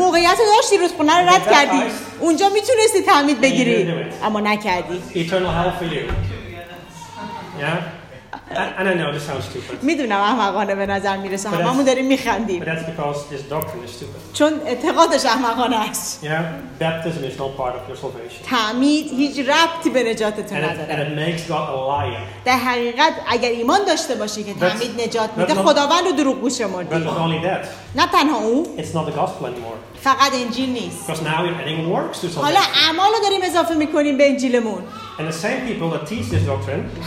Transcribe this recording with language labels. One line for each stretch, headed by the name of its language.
Persian: موقعیت رو داشتی, رودخونه رو رد کردی. اونجا میتونستی تعمید بگیری. اما نکردی.
English: Eternal hell for you. Yeah? And I know this sounds stupid.
Persian: میدونم احمقانه به نظر میرسه. هممون داریم میخندیم.
English: But that's because this doctrine is stupid.
Persian: چون اعتقادش احمقانه است.
English: Yeah, baptism is not part of your salvation.
Persian: تعمید هیچ ربطی به نجاتت نداره.
English: And it makes God a liar.
Persian: در حقیقت اگر ایمان داشته باشی که تعمید نجات میده, خداوند رو دروغگو شمردی.
English: But not only that.
Persian: نه تنها او.
English: It's not the gospel anymore.
Persian: فقط انجیل نیست.
English: Because now you're adding works to salvation.
Persian: حالا اعمالو داریم اضافه میکنیم به انجیلمون.
English: And the same people that teach this doctrine.